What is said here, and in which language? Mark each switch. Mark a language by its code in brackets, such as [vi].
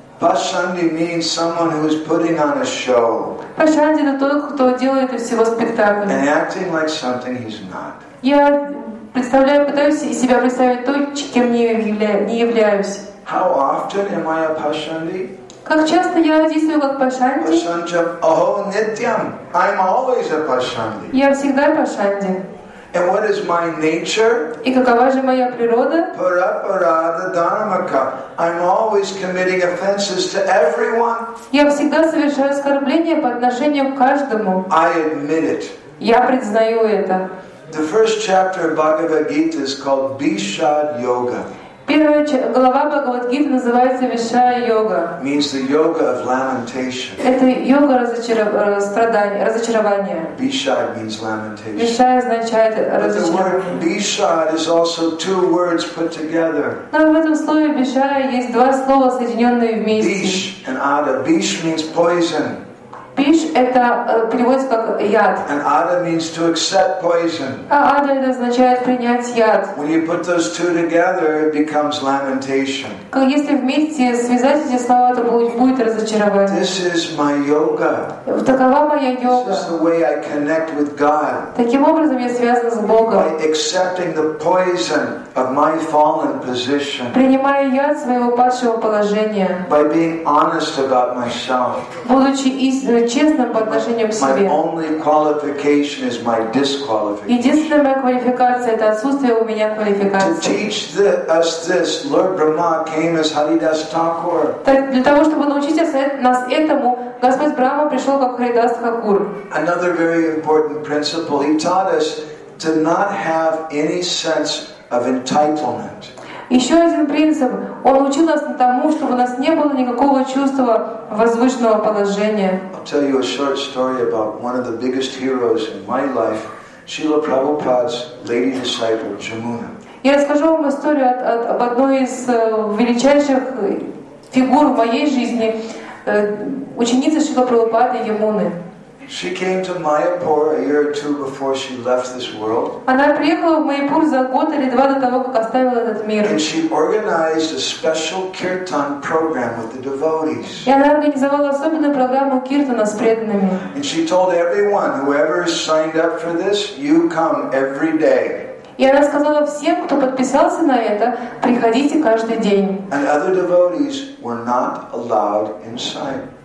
[en] Pasandi means someone who is putting on a show. [ru] Pasandi — это тот, кто делает из всего спектакль. [en] And acting like something he's not. [ru] Я представляю, пытаюсь из себя представить то, кем не являюсь. [en] How often am I a Pasandi? [ru] Как часто я действую как Пашанди? [sa] Пашанджам Ахо Нитьям. [en] I'm always a Пашанди. [ru] Я всегда Пашанди. [en] And what is my nature? [ru] И какова же моя природа? [sa] Парапарада дармака. [en] I'm always committing offenses to everyone. [ru] Я всегда совершаю оскорбления по отношению к каждому. [en] I admit it. [ru] Я признаю это. [en] The first chapter of Bhagavad Gita is called Bhishad Yoga. [ru] Первая глава Бхагавад-гиты называется Вишая йога. [en] Means the yoga of lamentation. [ru] Это йога разочарования. [en] Bhishad means lamentation. [ru] Вишая означает разочарование. [en] But the word Bhishad is also two words put together. [ru] Но в этом слове Бишая есть два слова, соединенные вместе. [en] Bish and Ada. Bish means poison. [ru] Bish — это переводится как яд. [en] And Ada means to accept poison. [ru] А Ada — это означает принять яд. [en] When you put those two together, it becomes lamentation. [ru] Если вместе связать эти слова, то будет разочарование. [en] This is my yoga. [ru] Такова моя йога. [en] This is the way I connect with God. [ru] Таким образом я связан с Богом. [en] By accepting the poison of my fallen position. [ru] Принимая яд своего падшего положения. [en] By being honest about myself. [ru] Будучи честным по отношению к себе. [en] My only qualification is my disqualification. [ru] Единственная моя квалификация — это отсутствие у меня квалификации. [en] To teach us this, Lord Brahma came as Haridas Thakur. [ru] Для того чтобы научить нас этому, Господь Брахма пришел как Харидас Такур. [en] Another very important principle, he taught us to not have any sense of entitlement. [ru] Еще один принцип. Он учил нас тому, чтобы у нас не было никакого чувства возвышенного положения. [en] I'll tell you a short story about one of the biggest heroes in my life, Srila Prabhupada's lady disciple, Jamuna. [ru] Я расскажу вам историю об одной из величайших фигур в моей жизни, ученицы Шрила Прабхупады Ямуны. [en] She came to Mayapur a year or two before she left this world. [ru] Она приехала в Майпур за год или два до того, как оставила этот мир. [en] And she organized a special kirtan program with the devotees. [ru] И она организовала особенную программу киртана с преданными. [en] And she told everyone, whoever signed up for this, you come every day. [ru] И она сказала всем, кто подписался на это, приходите каждый день. [en] And other devotees were not allowed inside.